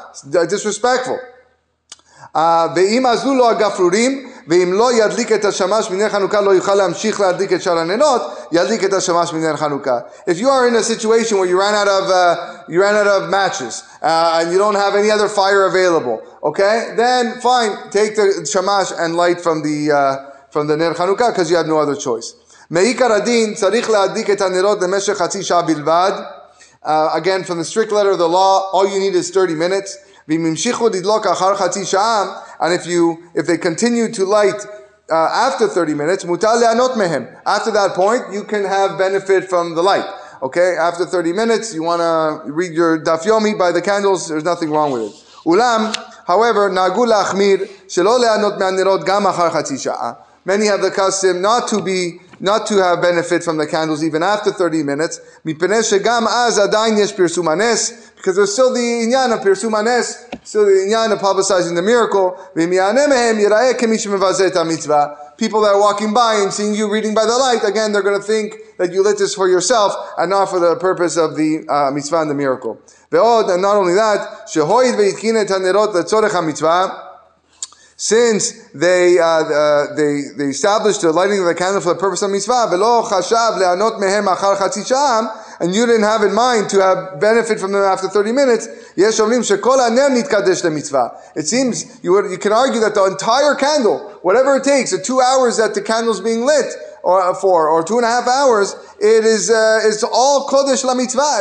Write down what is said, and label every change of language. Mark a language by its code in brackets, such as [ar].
[en] It's disrespectful. [he] ואם עזלו לו הגפרורים, ואם לא ידליק את השמש מנר חנוכה, [en] לא יוכל להמשיך להדליק את שאר הנרות, ידליק את השמש מנר חנוכה. If you are in a situation where you ran out of matches, and you don't have any other fire available, okay, then fine, take the shamash and light from the נר חנוכה, because you have no other choice. [he] מעיקר הדין צריך להדליק את הנרות למשך חצי שעה בלבד. [en] Again, from the strict letter of the law, all you need is 30 minutes. [he] ואם ימשיכו לדלוק אחר חצי שעה, [en] and if they continue to light after 30 minutes, [he] מותר לענות מהם. [en] After that point, you can have benefit from the light. Okay, after 30 minutes, you want to read your daf yomi by the candles, there's nothing wrong with it. [he] אולם, [en] however, [he] נהגו להחמיר שלא לענות מהנרות גם אחר חצי שעה. [en] Many have the custom not to have benefit from the candles even after 30 minutes. [he] מפני שגם אז עדיין יש פרסום הנס, [en] because there's still the עניין of פרסום הנס, still the עניין of publicizing the miracle. [he] ואם יענה מהם, יראה כמי שמבזה את המצווה. [en] People that are walking by and seeing you reading by the light, again, they're going to think that you lit this for yourself and not for the purpose of the mitzvah and the miracle. [he] ועוד, [en] and not only that, [he] שהויד והתקין את הנרות לצורך המצווה, [en] since they established the lighting of the candle for the purpose of mitzvah, [he] ולא חשב לענות מהם אחר חצי שעה, [en] and you didn't have in mind to have benefit from them after 30 minutes, it seems you can argue that the entire candle, whatever it takes, the 2 hours that the candle's being lit, or 2.5 hours, it is, it's all kodesh la mitzvah.